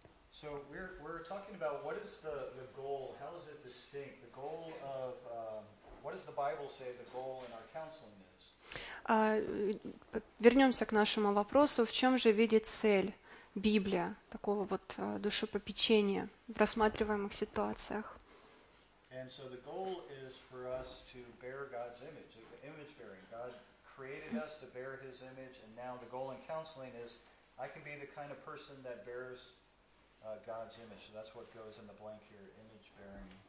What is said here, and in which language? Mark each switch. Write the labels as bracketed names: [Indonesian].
[English] So we're talking about what is the goal? How is it distinct? The goal of what does the Bible say the goal in our counseling is? [Russian] Вернемся к нашему вопросу. В чем же видит цель Библия такого вот душепопечения в рассматриваемых ситуациях? [English] And so the goal is for us to bear God's image, the image bearing. God created us to bear His image, and now the goal in counseling is I can be the kind of person that bears God's image. So that's what goes in the blank here, image bearing.